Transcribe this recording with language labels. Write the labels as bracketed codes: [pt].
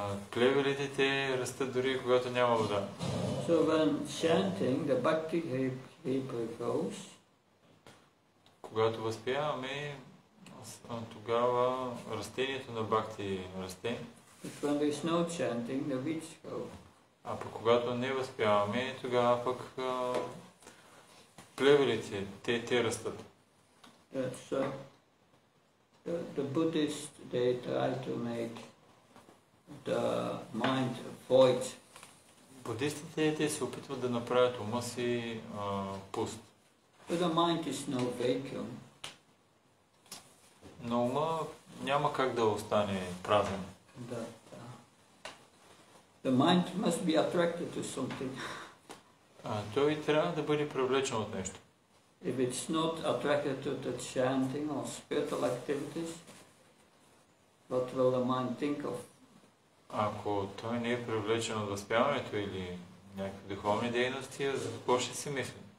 [bg] Плевелите те растат дори когато няма вода. [en] So when chanting, the bhakti creeper grows. [bg] Когато възпяваме, тогава растението на бхакти расте. [en] But when there is no chanting, the weeds grow. [bg] А пък когато не възпяваме, тогава пък плевелите, те растат. [en] That's the Buddhist, they try to make the mind void. [bg] Будистите, те се опитват да направят ума си пуст. [en] But the mind is no vacuum. [bg] Но ума няма как да остане празен. [en] The mind must be attracted to something. [bg] Той трябва да бъде привлечен от нещо. [en] If it's not attracted to the chanting or spiritual activities, what will the mind think of? [bg] Ако той не е привлечен от възпяването или някакви духовни дейности, за какво ще си мисли?